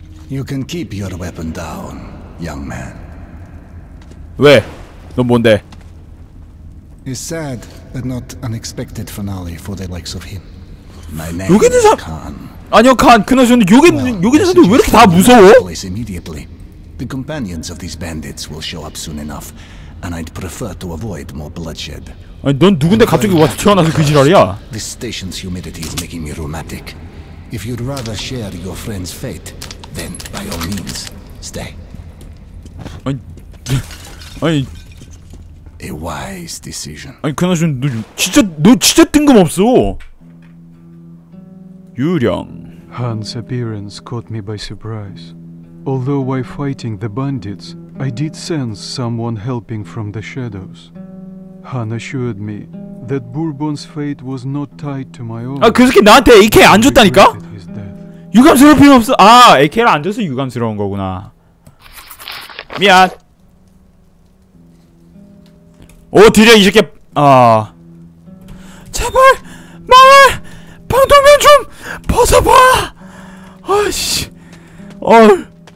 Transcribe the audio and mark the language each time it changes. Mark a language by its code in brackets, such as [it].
[en] You can keep your weapon down, young man. [ko] 왜? 넌 뭔데? [en] It's sad, but not unexpected finale for the likes of him. My name is Khan. [ko] 여기 있는 사람? 아니요, 칸. 그나저나 여기 여기 있는 사람도 왜 이렇게 다 무서워? [en] Place immediately. The companions of these bandits will show up soon enough, and I'd prefer to avoid more bloodshed. [ko] 아니, 넌 누군데 갑자기 와 튀어나와서 그 지랄이야? [en] This station's humidity is making me rheumatic. If you'd rather share your friend's fate, then by all means, stay. [ko] 아니, [en] a wise decision. [ko] 아니, 그나저나 너 진짜 뜬금없어. 유령. [en] Han's appearance caught me by surprise. Although while fighting the bandits, I did sense someone helping from the shadows. Han assured me that Bourbon's fate was not tied to my own. [ko] 아, 그 새끼 나한테 AK 안 줬다니까? 유감스러울 필요 없어. 아, AK를 안 줘서 유감스러운 거구나. 미안. 오, 드디어 이 새끼. 아, 제발 마을 방독면 좀 벗어봐. 아이씨. 얼.